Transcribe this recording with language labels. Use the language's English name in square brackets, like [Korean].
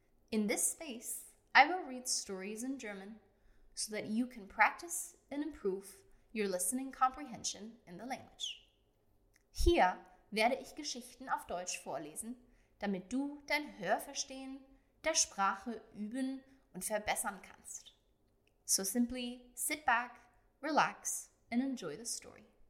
[English] In this space, I will read stories in German so that you can practice and improve your listening comprehension in the language. [German] Hier werde ich Geschichten auf Deutsch vorlesen, damit du dein Hörverstehen der Sprache üben und verbessern kannst. [English] So simply sit back, relax and enjoy the story.